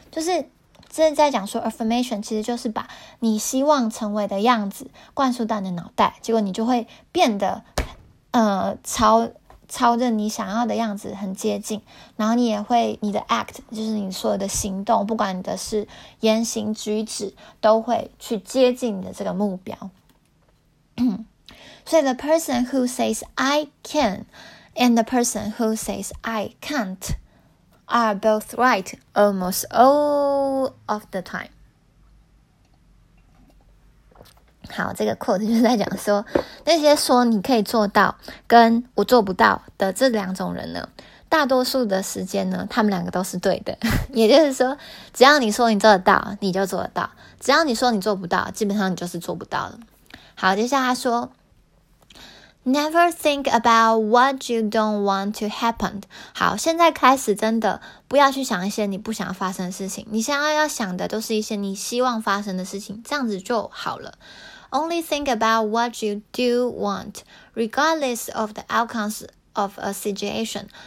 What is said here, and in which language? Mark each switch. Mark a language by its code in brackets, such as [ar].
[zh] 就是这是在讲说 affirmation 其实就是把你希望成为的样子灌输到你的脑袋，结果你就会变得朝着你想要的样子很接近，然后你也会你的 act 就是你所有的行动，不管你的是言行举止都会去接近你的这个目标。所以 [en] the person who says I can and the person who says I can'tare both right almost all of the time. [zh] 好，这个 quote 就在讲说，那些说你可以做到跟我做不到的这两种人呢，大多数的时间呢，他们两个都是对的。也就是说，只要你说你做得到，你就做得到；只要你说你做不到，基本上你就是做不到了。好，接下来他说 [en] Never think about what you don't want to happen. [zh] 好，现在开始真的不要去想一些你不想发生的事情，你现在要想的都是一些你希望发生的事情，这样子就好了。 [en] Only think about what you do want, regardless of the outcomes of a situation.